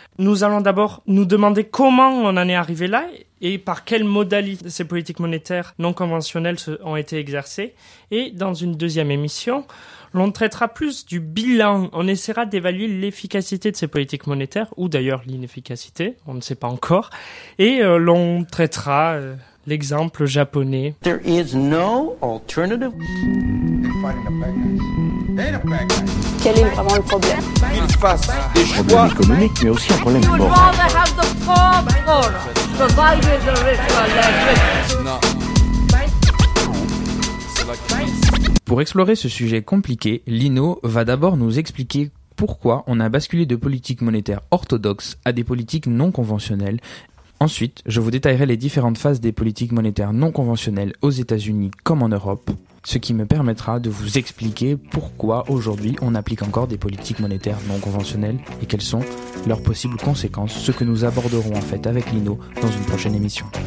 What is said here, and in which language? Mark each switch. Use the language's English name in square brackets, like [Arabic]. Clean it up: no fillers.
[French] Nous allons d'abord nous demander comment on en est arrivé là et par quelles modalités ces politiques monétaires non conventionnelles ont été exercées. Et dans une deuxième émission, l'on traitera plus du bilan. On essaiera d'évaluer l'efficacité de ces politiques monétaires, ou d'ailleurs l'inefficacité, on ne sait pas encore. Et l'on traitera l'exemple japonais. [English] There is no alternative. [French] Quel est vraiment le problème ? Il passe des choix. Un problème économique, mais aussi un problème moral. [English] You'd rather have the poor poor, provided the rich are less rich. [French] Pour explorer ce sujet compliqué, Lino va d'abord nous expliquer pourquoi on a basculé de politiques monétaires orthodoxes à des politiques non conventionnelles. Ensuite, je vous détaillerai les différentes phases des politiques monétaires non conventionnelles aux États-Unis comme en Europe, ce qui me permettra de vous expliquer pourquoi aujourd'hui on applique encore des politiques monétaires non conventionnelles et quelles sont leurs possibles conséquences, ce que nous aborderons en fait avec Lino dans une prochaine émission.